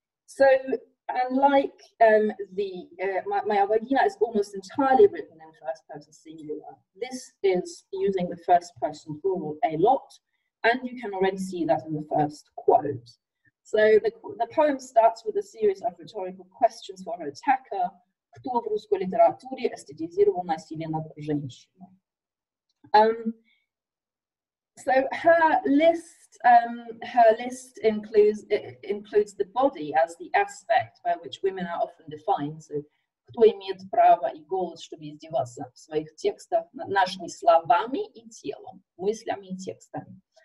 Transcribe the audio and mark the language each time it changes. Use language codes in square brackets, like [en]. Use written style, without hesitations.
[en] So, unlike Moia Vagina is almost entirely written in first person singular, this is using the first person plural a lot, and you can already see that in the first quote. So the poem starts with a series of rhetorical questions for her attacker. [ru] Кто в русской литературе эстетизировал насилие над женщиной? [en] So her list includes the body as the aspect by which women are often defined. So, [ru] кто имеет право и голос, чтобы издеваться в своих текстах над нашими словами и телом, мыслями и текстами?